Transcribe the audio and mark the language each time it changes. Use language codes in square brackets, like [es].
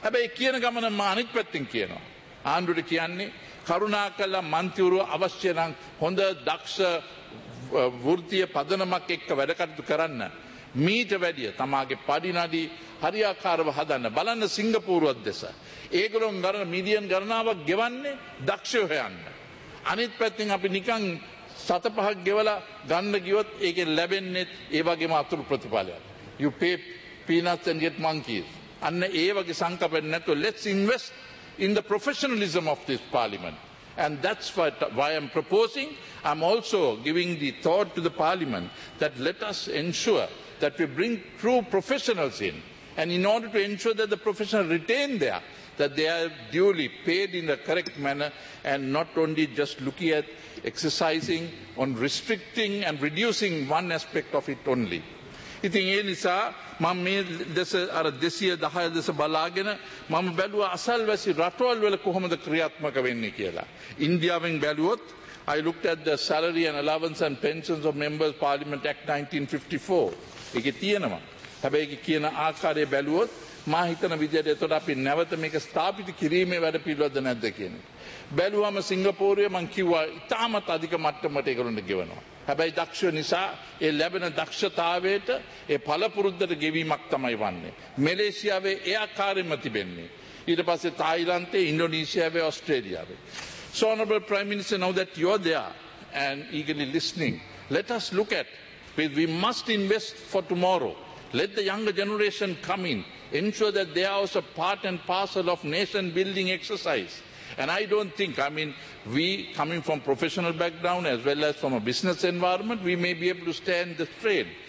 [si] හැබැයි කියන ගමන මා අනිත් පැත්තෙන් කියනවා, ආණ්ඩුවට කියන්නේ කරුණාකරලා මන්ත්‍රීවරු අවශ්‍ය නම් හොඳ දක්ෂ වෘත්තීය පදනමක් එක්ක වැඩ කටයුතු කරන්න, මීට වැඩිය තමාගේ පඩිනඩි හරියාකාරව හදන්න. බලන්න සිංගප්පූරුවත් දෙස, ඒගොල්ලෝ ගන්න මිලියන් ගණනාවක් ගෙවන්නේ දක්ෂයෝ හොයන්න. අනිත් පැත්තෙන් අපි නිකන් සත පහක් ගෙවලා ගන්න ගියොත් ඒකෙන් ලැබෙන්නේ ඒ වගේම අතුරු ප්‍රතිඵලයක්. [en] You pay peanuts and get monkeys. [si] අන්න ඒ වගේ සංකල්පයක් නැතුව [en] let's invest in the professionalism of this parliament. And that's why I'm proposing, I'm also giving the thought to the parliament that let us ensure that we bring true professionals in. And in order to ensure that the professionals retain there, that they are duly paid in the correct manner and not only just looking at exercising on restricting and reducing one aspect of it only. [si] ඉතින් ඒ නිසා මම මේ දෙස අර 210 දෙස බලාගෙන මම බැලුවා අසල්වැසි රටවල් වල කොහොමද ක්‍රියාත්මක වෙන්නේ කියලා. ඉන්දියාවෙන් බැලුවොත් [en] I looked at the salary and allowance and pensions of members parliament act 1954. [si] ඒකේ තියෙනවා. හැබැයි ඒක කියන ආකාරය බැලුවොත් මා හිතන විදිහට එතකොට අපි නැවත මේක ස්ථාපිත කිරීමේ වැඩ පිළිවෙද්ද නැද්ද කියන එක. බැලුවම සිංගප්පූරුවේ මම කිව්වා ඉතාමත් අධික මට්ටමට ඒගොල්ලෝ ගෙවනවා. හැබැයි දක්ෂ නිසා ඒ ලැබෙන දක්ෂතාවයට ඒ පළපුරුද්දට ගෙවීමක් තමයි වන්නේ. මැලේසියාවේ ඒ ආකාරයෙන්ම තිබෙන්නේ. ඊට පස්සේ තායිලන්තේ, ඉන්ඩොනීසියාවේ, ඕස්ට්‍රේලියාවේ. [en] So honorable prime minister, now that you're there and eagerly listening, let us look at, we must invest for tomorrow. Let the younger generation come in, ensure that they are also part and parcel of nation building exercise. And I don't think, I mean, we coming from professional background as well as from a business environment, we may be able to stand the strain.